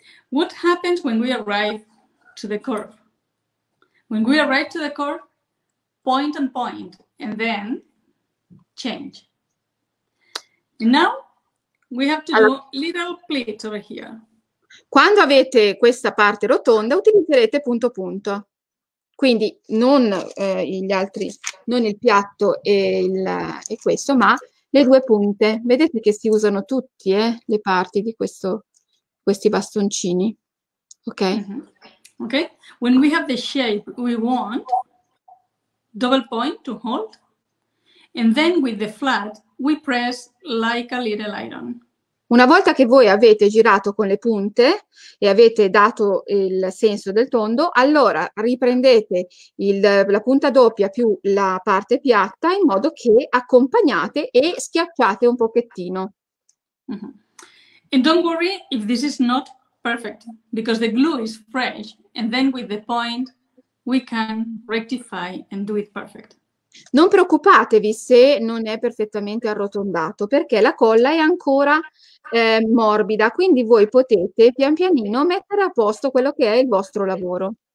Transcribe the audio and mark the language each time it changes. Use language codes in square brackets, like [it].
[en] What happens when we arrive to the curve? When we arrive to the curve, point and point, and then change. And now we have to do little pleat over here. [it] Quando avete questa parte rotonda, utilizzerete punto punto. Quindi non gli altri, non il piatto e questo, ma le due punte. Vedete che si usano tutti le parti di questi bastoncini. Ok? Mm-hmm. Ok? [en] When we have the shape we want, double point to hold, and then with the flat we press like a little iron. [it] Una volta che voi avete girato con le punte e avete dato il senso del tondo, allora riprendete la punta doppia più la parte piatta in modo che accompagnate e schiacciate un pochettino. Mm-hmm. [en] And don't worry if this is not perfect, because the glue is fresh, and then with the point we can rectify and do it perfect. [it] Non preoccupatevi se non è perfettamente arrotondato, perché la colla è ancora morbida, quindi voi potete pian pianino mettere a posto quello che è il vostro lavoro.